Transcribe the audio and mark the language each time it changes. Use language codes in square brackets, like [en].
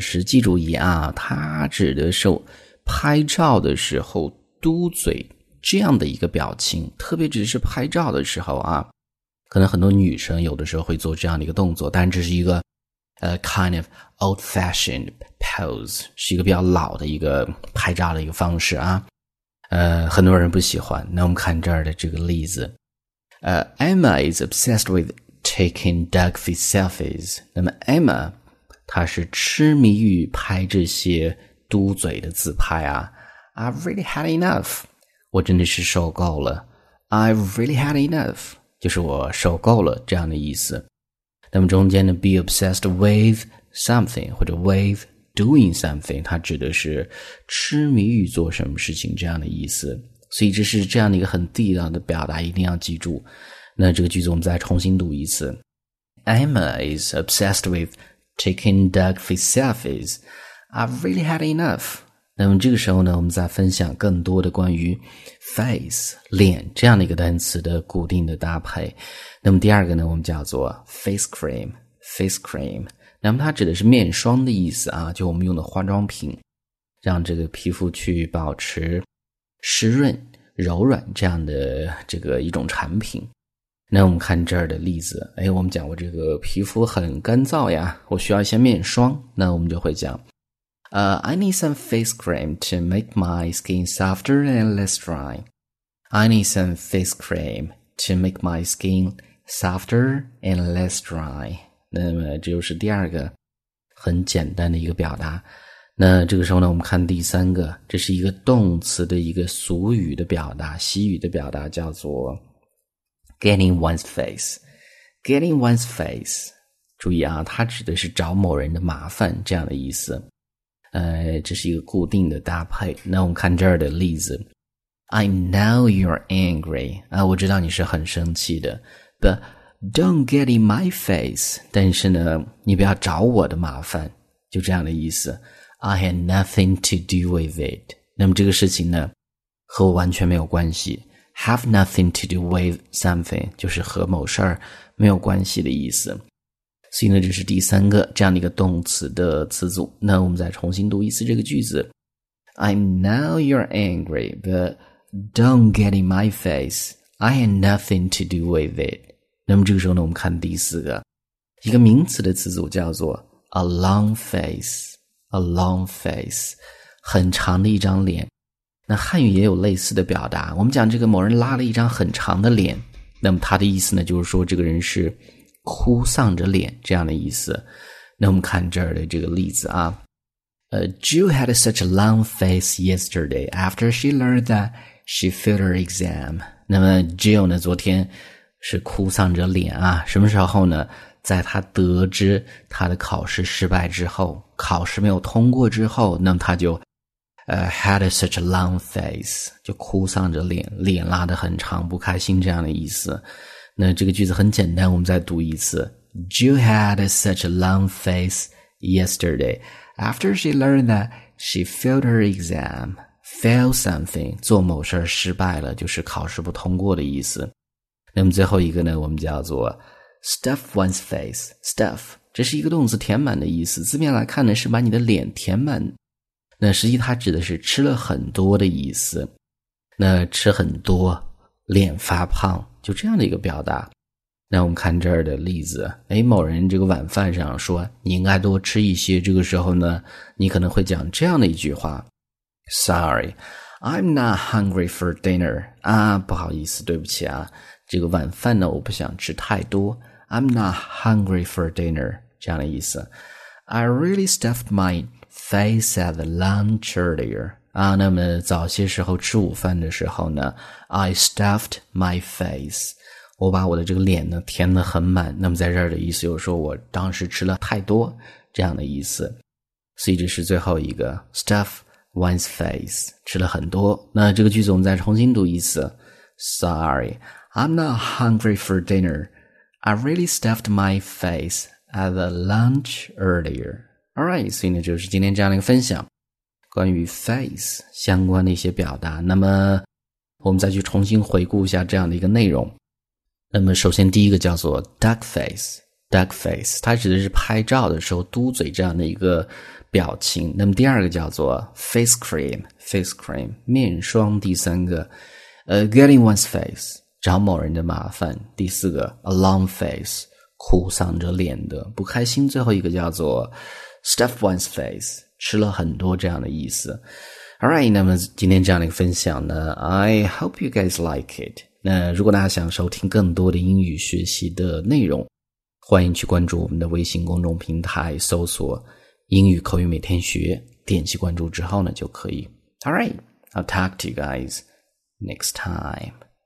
[zh] 实际注意啊，它指的是拍照的时候嘟嘴这样的一个表情，特别指的是拍照的时候啊。可能很多女生有的时候会做这样的一个动作，但这是一个 [en] kind of old-fashioned pose， [zh] 是一个比较老的一个拍照的一个方式啊。很多人不喜欢。那我们看这儿的这个例子。 [en] Emma is obsessed with taking duck face selfies。 [zh] 那么 Emma 她是痴迷于拍这些嘟嘴的自拍啊。 [en] I've really had enough， [zh] 我真的是受够了。 [en] I've really had enough， [zh] 就是我受够了这样的意思。那么中间的 [en] be obsessed with something [zh] 或者 [en] with doing something， [zh] 它指的是痴迷于做什么事情这样的意思。所以这是这样的一个很地道的表达，一定要记住。那这个句子我们再重新读一次。 [en] Emma is obsessed with taking duck face selfies. I've really had enough. [zh] 那么这个时候呢，我们再分享更多的关于 face 脸这样的一个单词的固定的搭配。那么第二个呢，我们叫做 face cream。face cream， 那么它指的是面霜的意思啊，就我们用的化妆品，让这个皮肤去保持湿润柔软这样的这个一种产品。那我们看这儿的例子。哎，我们讲过这个皮肤很干燥呀，我需要一些面霜。那我们就会讲 [en] I need some face cream to make my skin softer and less dry. I need some face cream to make my skin softer and less dry. [zh] 那么这就是第二个很简单的一个表达。那这个时候呢，我们看第三个，这是一个动词的一个俗语的表达，习语的表达，叫做 getting one's face. getting one's face， 注意啊，它指的是找某人的麻烦这样的意思。这是一个固定的搭配。那我们看这儿的例子。 [en] I know you're angry. [zh] 啊，我知道你是很生气的。 [en] But don't get in my face. [zh] 但是呢，你不要找我的麻烦。就这样的意思。 [en] I had nothing to do with it. [zh] 那么这个事情呢，和我完全没有关系。 [en] Have nothing to do with something， [zh] 就是和某事儿没有关系的意思。所以呢，这是第三个这样的一个动词的词组。那我们再重新读一次这个句子。 [en] I know you're angry, but don't get in my face. I had nothing to do with it. [zh] 那么这个时候呢，我们看第四个，一个名词的词组叫做 a long face。 a long face， 很长的一张脸。那汉语也有类似的表达，我们讲这个某人拉了一张很长的脸，那么他的意思呢，就是说这个人是哭丧着脸这样的意思。那我们看这儿的这个例子啊。 [en] Jill had such a long face yesterday after she learned that she failed her exam. [zh] 那么 Jill 呢，昨天是哭丧着脸啊。什么时候呢？在她得知她的考试失败之后，考试没有通过之后，那么她就 [en] had such a long face， [zh] 就哭丧着脸，脸拉得很长，不开心这样的意思。那这个句子很简单，我们再读一次。 [en] Jill had such a long face yesterday after she learned that she failed her exam. Fail something， [zh] 做某事失败了，就是考试不通过的意思。那么最后一个呢，我们叫做 stuff one's face。 stuff 这是一个动词，填满的意思，字面来看呢，是把你的脸填满。那实际它指的是吃了很多的意思。那吃很多，脸发胖，就这样的一个表达。那我们看这儿的例子。哎，某人这个晚饭上说你应该多吃一些，这个时候呢，你可能会讲这样的一句话。 [en] Sorry, I'm not hungry for dinner. [zh] 啊，不好意思，对不起啊，这个晚饭呢，我不想吃太多。 [en] I'm not hungry for dinner， [zh] 这样的意思。 [en] I really stuffed my face at the lunch earlier. [zh] 啊，那么早些时候吃午饭的时候呢， [en] I stuffed my face， [zh] 我把我的这个脸呢填得很满。那么在这儿的意思就是说我当时吃了太多这样的意思。所以这是最后一个 stuff one's face， 吃了很多。那这个句子我们再重新读一次。 [en] Sorry, I'm not hungry for dinner. I really stuffed my face at the lunch earlier. Alright, [zh] 所以呢就是今天这样的一个分享，关于 face 相关的一些表达。那么我们再去重新回顾一下这样的一个内容。那么首先第一个叫做 duck face。Duck face， 它指的是拍照的时候嘟嘴这样的一个表情。那么第二个叫做 face cream， face cream， 面霜。第三个getting one's face， 找某人的麻烦。第四个 a long face， 苦丧着脸的不开心。最后一个叫做 stuff one's face， 吃了很多这样的意思。 [en] Alright， [zh] 那么今天这样的一个分享呢， [en] I hope you guys like it。 [zh] 那如果大家想收听更多的英语学习的内容，欢迎去关注我们的微信公众平台，搜索英语口语每天学，点击关注之后呢就可以。 [en] Alright, I'll talk to you guys next time.